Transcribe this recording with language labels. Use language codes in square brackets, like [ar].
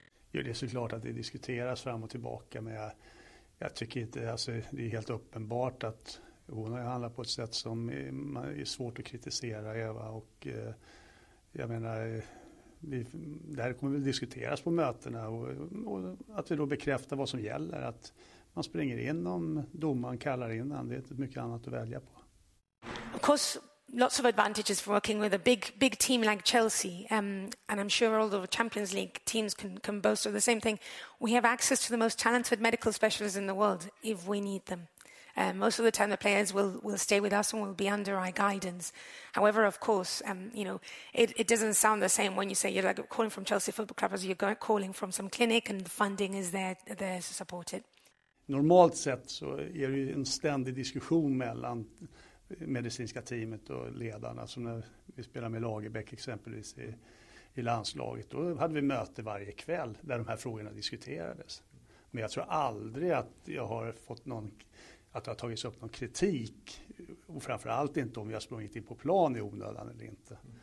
[sv] Jo, det är såklart att det diskuteras fram och tillbaka, men jag tycker inte, alltså, det är helt uppenbart att hon har handlat på ett sätt som är svårt att kritisera Eva och... Jag menar, det här kommer väl diskuteras på mötena och att vi då bekräftar vad som gäller. Att man springer in om domaren kallar in den. Det är inte mycket annat att välja på. [en] Of course, lots of advantages for working with a big team like Chelsea. And I'm sure all the Champions League teams can boast of the same thing. We have access to the most talented medical specialists in the world if we need them. Most of the time, the players will stay with us and will be under our guidance. However, of course, you know, it doesn't sound the same when you say you're like calling from Chelsea Football Club as you're going, calling from some clinic, and the funding is there to support it. [sv] Normalt sett så är det ju en ständig diskussion mellan medicinska teamet och ledarna. Som när vi spelar med Lagerbäck exempelvis i landslaget, då hade vi möte varje kväll där de här frågorna diskuterades. Men jag tror aldrig att jag har fått någon... Att det har tagits upp någon kritik, och framförallt inte om vi har sprungit in på plan i onödan eller inte.